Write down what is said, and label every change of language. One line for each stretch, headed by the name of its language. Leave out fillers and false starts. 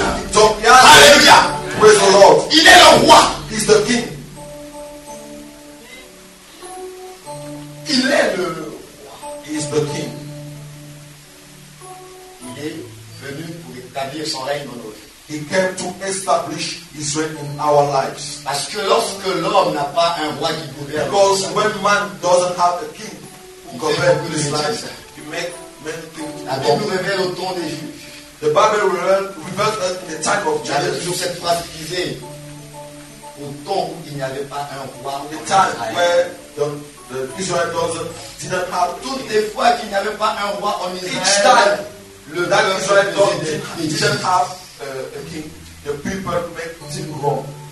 English: He domine. Hallelujah. Praise the Lord.
French: Il est le roi.
English: He's the king.
French: Il est le roi.
English: He's the king.
French: Il est venu pour établir son règne dans nos vies.
English: He came to establish his reign in our lives.
French: Parce que lorsque l'homme n'a pas un roi qui gouverne.
English: Because when man doesn't have a king.
French: Nous révèle au temps des juges.
English: The Bible reveals us in the time of judges.
French: Toujours cette phrase qui disait au temps où il n'y avait pas un roi.
English: The time where the Israelites didn't have.
French: Toutes les fois qu'il n'y avait pas un roi en Israël.
English: Each time le Israelites didn't have a king, the people make things wrong.